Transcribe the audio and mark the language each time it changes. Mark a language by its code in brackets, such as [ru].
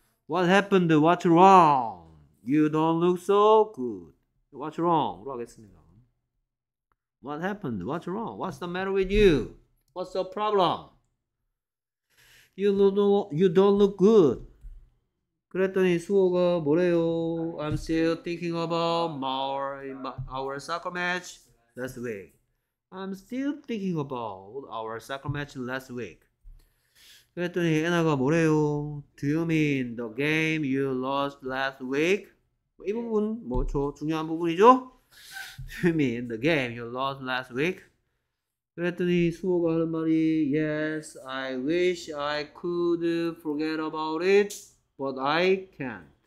[en] What happened? What's wrong? You don't look so good. What's wrong? 로 하겠습니다. What happened? What's wrong? What's the matter with you? What's the problem? You don't look good. [ko] 그랬더니 수호가 뭐래요? [en] I'm still thinking about our soccer match last week. I'm still thinking about our soccer match last week. [ko] 그랬더니 에나가 뭐래요? [en] Do you mean the game you lost last week? [ko] 이 부분 뭐죠? 중요한 부분이죠? [en] Do you mean the game you lost last week? [ko] 그랬더니 수호가 하는 말이 [en] Yes, I wish I could forget about it, but I can't.